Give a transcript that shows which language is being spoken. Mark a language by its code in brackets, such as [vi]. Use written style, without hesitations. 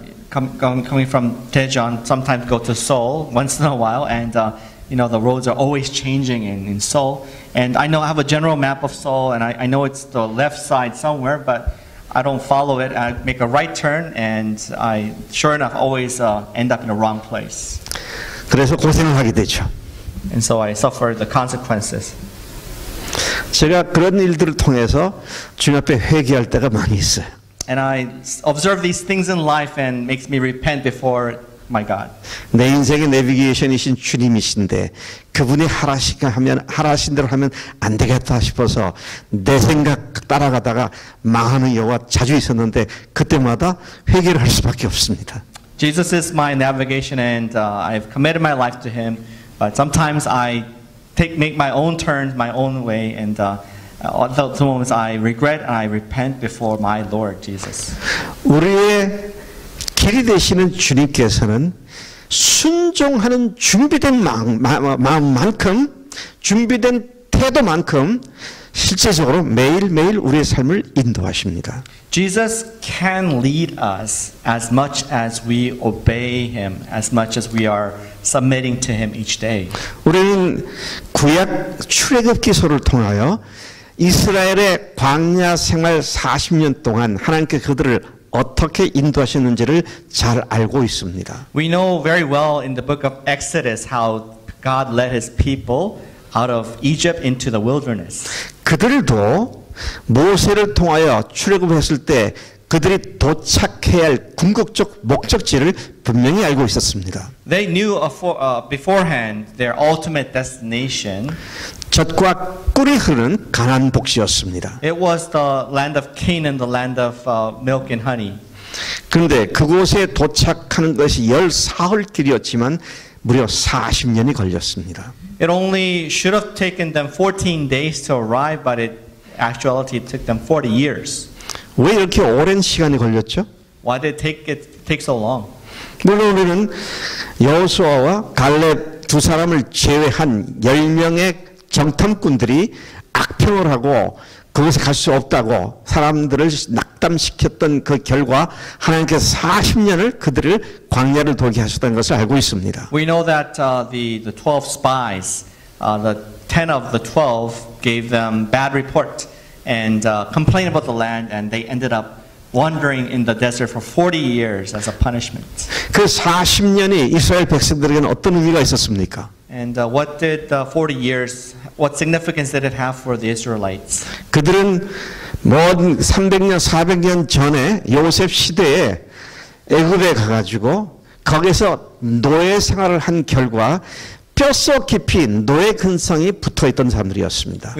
[en] Coming from Daejeon, sometimes go to Seoul once in a while, and you know the roads are always changing in Seoul. And I know I have a general map of Seoul, and I know it's the left side somewhere, but I don't follow it. I make a right turn, and I sure enough always end up in the wrong place. [ko] 그래서 고생을 하게 되죠. [en] And so I suffer the consequences. [ko] 제가 그런 일들을 통해서 주님 앞에 회개할 때가 많이 있어요. [en] And I observe these things in life and makes me repent before my God. [ko] 내 인생의 내비게이션이신 주님이신데 그분이 하라시가 하면 하라신 대로 하면 안 되겠다 싶어서 내 생각 따라가다가 망하는 경우가 자주 있었는데 그때마다 회개를 할 수밖에 없습니다. [en] Jesus is my navigation and I've committed my life to him, but sometimes I make my own turns, my own way, and those moments I regret and I repent before my Lord Jesus. [ko] 우리의 길이 되시는 주님께서는 순종하는 준비된 마음만큼 준비된 태도만큼 실제적으로 매일매일 우리의 삶을 인도하십니다. [en] Jesus can lead us as much as we obey him, as much as we are submitting to him each day. [ko] 우리는 구약 출애굽기서를 통하여 이스라엘의 광야 생활 40년 동안 하나님께 그들을 어떻게 인도하셨는지를 잘 알고 있습니다. [en] We know very well in the book of Exodus how God led his people out of Egypt into the wilderness. [ko] 그들도 모세를 통하여 출애굽했을 때 그들이 도착해야 할 궁극적 목적지를 분명히 알고 있었습니다. [en] They knew beforehand their ultimate destination. [ko] 젖과 꿀이 흐르는 가나안 복지였습니다. [en] It was the land of Canaan, the land of milk and honey. [ko] 그런데 그곳에 도착하는 것이 열 사흘 길이었지만 무려 40년이 걸렸습니다. [en] It only should have taken them 14 days to arrive, but in actuality it took them 40 years. [ko] 왜 이렇게 오랜 시간이 걸렸죠? [en] Why did it take so long? [ko] 물론 우리는 여호수아와 갈렙 두 사람을 제외한 10명의 정탐꾼들이 악평을 하고 그곳에 갈 수 없다고 사람들을 낙담시켰던 그 결과 하나님께서 40년을 그들을 광야를 돌게 하셨다는 것을 알고 있습니다. [en] We know that the 12 spies, the 10 of the 12 gave them bad report and complained about the land and they ended up wandering in the desert for 40 years as a punishment. [ko] 그 40년이 이스라엘 백성들에게는 어떤 의미가 있었습니까? [en] And what did the 40 years, what significance did it have for the Israelites? [ko] 그들은 모든 300년, 400년 전에 요셉 시대에 애굽에 가가지고 거기서 노예 생활을 한 결과 뼛속 깊이 노예 근성이 붙어있던 사람들이었습니다.